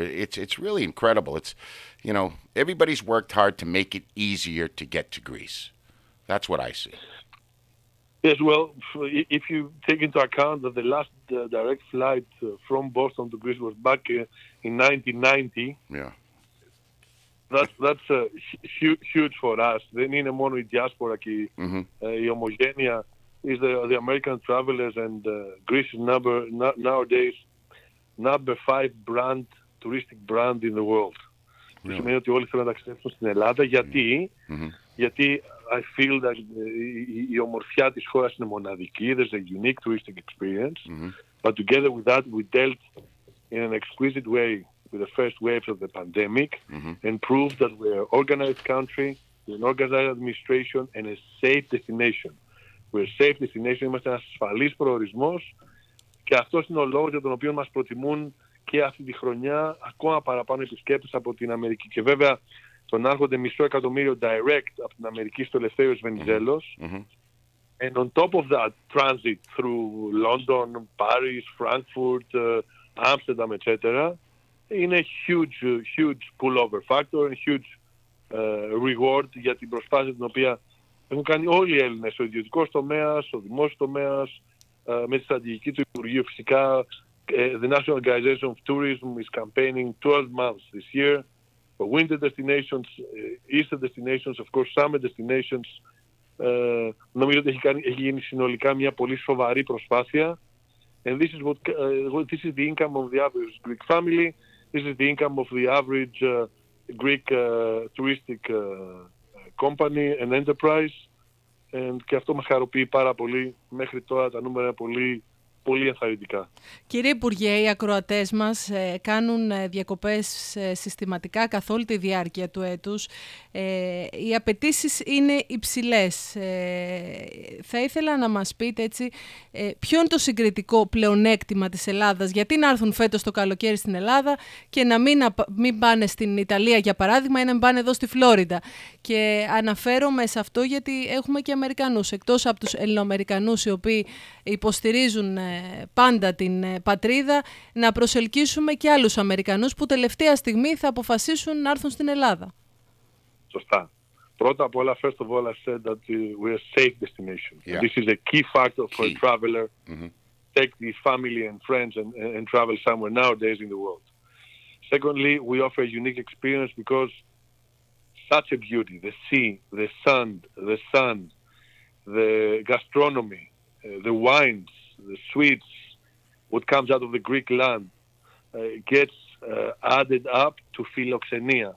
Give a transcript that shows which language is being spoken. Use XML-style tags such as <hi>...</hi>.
<en>It's really incredible. It's, you know, everybody's worked hard to make it easier to get to Greece. That's what I see. Yes, well, if you take into account that the last direct flight from Boston to Greece was back in 1990, yeah, that's huge for us.</en> <el>Δεν είναι μόνο η διάσπορα και η ομογένεια.</el> <en>Is the American travelers and Greece is nowadays number 5 brand, touristic brand in the world. Really? Which means that all want to go to Greece. Why? Because I feel that the beauty of the country is unique. There's a unique touristic experience. Mm-hmm. But together with that, we dealt in an exquisite way with the first waves of the pandemic and proved that we're an organized country, an organized administration and a safe destination. We're a safe destination,</en> <el>είμαστε ένας ασφαλής προορισμός και αυτός είναι ο λόγος για τον οποίο μας προτιμούν και αυτή τη χρονιά ακόμα παραπάνω επισκέπτες από την Αμερική. Και βέβαια, τον άρχονται μισό εκατομμύριο direct από την Αμερική στο Ελευθέριος Βενιζέλος. Mm-hmm.</el> <en>And on top of that, transit through London, Paris, Frankfurt, Amsterdam, etc.</en> <el>είναι</el> <en>huge pullover factor and huge reward</en> <el>για την προσπάθεια την οποία έχουν κάνει όλοι οι Έλληνες, ο ιδιωτικός τομέας, ο δημόσιος τομέας, με τη στρατηγική του Υπουργείου φυσικά.</el> <en>The National Organization of Tourism is campaigning 12 months this year for winter destinations, Easter destinations, of course, summer destinations.</en> <el>Νομίζω ότι έχει γίνει συνολικά μια πολύ σοβαρή προσπάθεια.</el> <en>And this is what this is the income of the average Greek family. This is the income of the average Greek touristic company and enterprise, and</en> <el>και αυτό με χαροποιεί πάρα πολύ. Μέχρι τώρα τα νούμερα είναι πολύ πολύ ενθαρρυντικά. Κύριε Υπουργέ, οι ακροατές μας κάνουν διακοπές συστηματικά καθ' όλη τη διάρκεια του έτους. Οι απαιτήσεις είναι υψηλές. Θα ήθελα να μας πείτε έτσι, ποιο είναι το συγκριτικό πλεονέκτημα της Ελλάδας, γιατί να έρθουν φέτος το καλοκαίρι στην Ελλάδα και να μην πάνε στην Ιταλία, για παράδειγμα, ή να μην πάνε εδώ στη Φλόριντα. Και αναφέρομαι σε αυτό γιατί έχουμε και Αμερικανούς, εκτός από τους Ελληνοαμερικανούς, οι οποίοι υποστηρίζουν πάντα την πατρίδα, να προσελκύσουμε και άλλους Αμερικανούς που τελευταία στιγμή θα αποφασίσουν να έρθουν στην Ελλάδα. Σωστά. Πρώτα απ' όλα,</el> <en>first of all, I said that we're a safe destination. Yeah. This is a key factor for key. A traveler. Mm-hmm. Take the family and friends and travel somewhere nowadays in the world. Secondly, we offer a unique experience because such a beauty, the sea, the sun, the gastronomy, the wines, the sweets, what comes out of the Greek land, gets added up to philoxenia.</en>